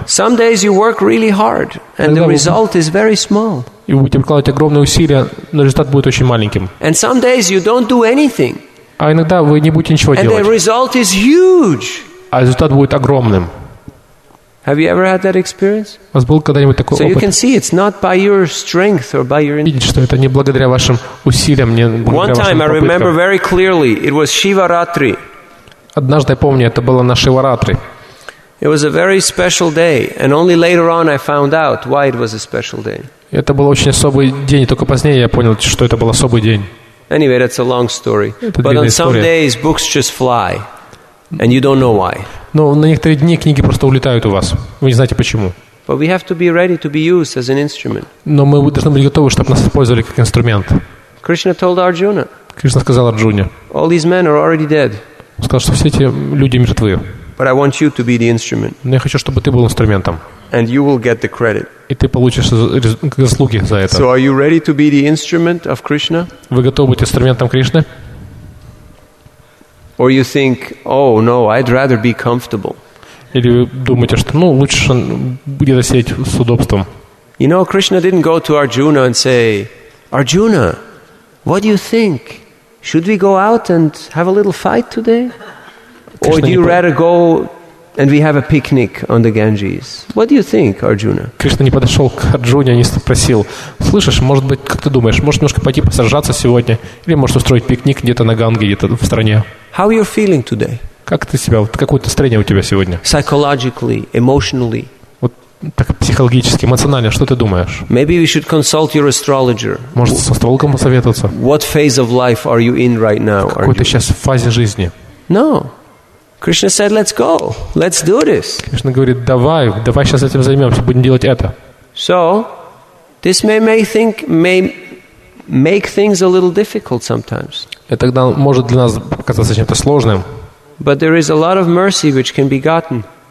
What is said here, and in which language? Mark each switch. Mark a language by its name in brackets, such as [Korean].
[English] Some days you work really hard and the result is very small. [Russian] И вы будете прикладывать огромные усилия, но результат будет очень маленьким. [English] And some days you don't do anything. [Russian] А иногда вы не будете ничего делать. [English] And the result is huge. [Russian] А результат будет огромным. [English] Have you ever had that experience? [Russian] У вас был когда-нибудь такой опыт? [English] So you can see it's not by your strength or by your. [Russian] Видите, что это не благодаря вашим усилиям, не благодаря вашим попыткам. [English] One time I remember very clearly, it was Shivaratri. [Russian] Однажды я помню, это было на Шиваратри. [English] It was a very special day, and only later on I found out why it was a special day. [Russian] Это был очень особый день, только позднее я понял, что это был особый день. [English] Anyway, that's a long story. But on some days books just fly, and you don't know why. [Russian] Но на некоторые дни книги просто улетают у вас. Вы не знаете почему. [English] But we have to be ready to be used as an instrument. [Russian] Но мы должны быть готовы, чтобы нас использовали как инструмент. [English] Krishna told Arjuna. [Russian] Кришна сказал Арджуне. [English] All these men are already dead. [Russian] Он сказал, что все эти люди мертвы. [English] But I want you to be the instrument. [Russian] Но я хочу, чтобы ты был инструментом. [English] And you will get the credit. [Russian] И ты получишь заслуги за это. [English] So are you ready to be the instrument of Krishna? [Russian] Вы готовы быть инструментом Кришны? [English] Or you think, oh no, I'd rather be comfortable. [Russian] Или вы думаете, что, ну, лучше где-то сидеть с удобством. [English] You know, Krishna didn't go to Arjuna and say, Arjuna, what do you think? Should we go out and have a little fight today? Or do you rather go and we have a picnic on the Ganges? What do you think, Arjuna? [Russian] Кришна не подошел к Арджуне, не спросил, слышишь, может быть, как ты думаешь, может немножко пойти посражаться сегодня, или может устроить пикник где-то на Ганге, где-то в стране. [English] How are you feeling today? [Russian] Как ты себя, какое настроение у тебя сегодня? [English] Psychologically, emotionally. [Russian] Вот так психологически, эмоционально, что ты думаешь? [English] Maybe you should consult your astrologer. [Russian] Может, с астрологом посоветоваться? [English] What phase of life are you in right now? [Russian] В какой ты сейчас в фазе жизни? [English] No. Krishna said, "Let's go. Let's do this." [Russian] Кришна говорит: "Давай, давай сейчас этим займемся, будем делать это." [English] So, this may make things a little difficult sometimes. [Russian] Это тогда может для нас показаться чем-то сложным. [English] But there is a lot of mercy which can be gotten.